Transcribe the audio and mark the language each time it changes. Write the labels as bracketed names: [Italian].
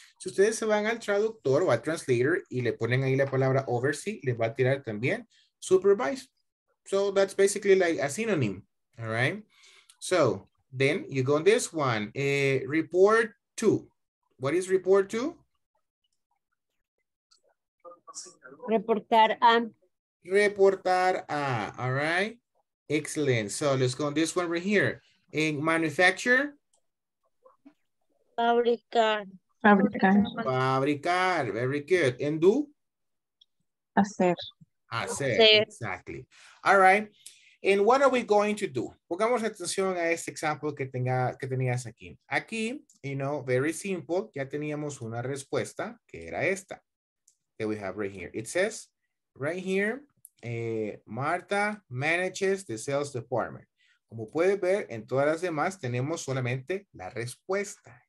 [Spanish] Si ustedes se van al traductor o al translator y le ponen ahí la palabra oversee, les va a tirar también supervise. [English] So that's basically like a synonym, all right. So then you go on this one, report to. What is report to? [Spanish] Reportar a. Reportar a, [English] all right. Excellent. So let's go on this one right here. In manufacture. [Spanish] Fabricar. [English] Very good. And do? [Spanish] Hacer. [English] Exactly. All right. And what are we going to do? [Spanish] Pongamos atención a este example que tenías aquí. Aquí, [English] you know, very simple. [Spanish] Ya teníamos una respuesta que era esta. [English] That we have right here. It says, right here, Marta manages the sales department. [Spanish] Como puedes ver, en todas las demás tenemos solamente la respuesta.